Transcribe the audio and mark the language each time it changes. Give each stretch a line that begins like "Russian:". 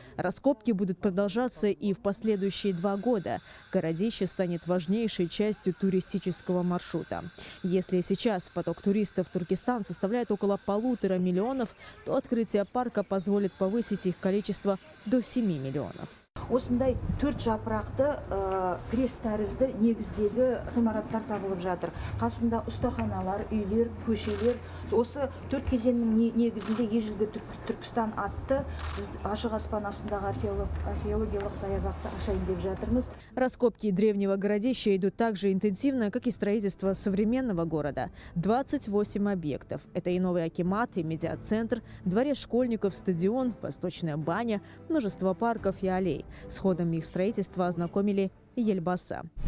Russian: Раскопки будут продолжаться и в последующие 2 года. Городище станет важнейшей частью туристического маршрута. Если сейчас поток туристов в Туркестан составляет около 1,5 миллиона, то открытие парка позволит повысить их количество до 7 миллионов.
Kazakh: Осындай төрт жапырақты крест тәрізді негіздегі ғимараттар табылып жатыр. Қасында ұстаханалар, үйлер, көшелер. Осы төрт кезеңнің негізінде ежелгі Түркістан атты біз ашық аспан астындағы археологиялық саябақты ашайын деп жатырмыз.
Russian: Раскопки древнего городища идут так же интенсивно, как и строительство современного города. 28 объектов. Это и новый акимат, и медиацентр, дворец школьников, стадион, восточная баня, множество парков и аллей. С ходом их строительства ознакомили Елбасы.